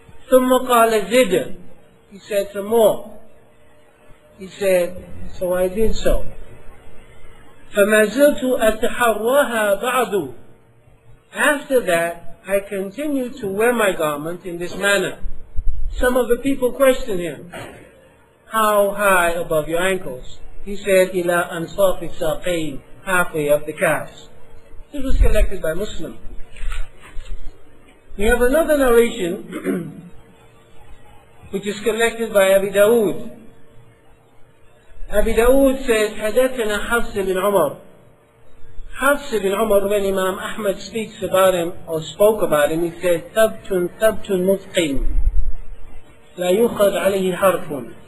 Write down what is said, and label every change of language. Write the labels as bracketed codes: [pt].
[ar] ثم قال زد, [en] he said, some more, he said, so I did so. [ar] فما زلت أتحرها بعد, [en] after that I continued to wear my garment in this manner. Some of the people questioned him, how high above your ankles? He said, [ar] إلى أنصاف الساقين, [en] halfway up the calves. This was collected by Muslim. We have another narration which is collected by Abi Dawood. Abi Dawood says, [ar] حدثنا حفص بن عمر. [en] حفص بن عمر, when Imam Ahmad speaks about him or spoke about him, he said, [ar] ثبتٌ ثبتٌ متقن لا يخذ عليه حرف.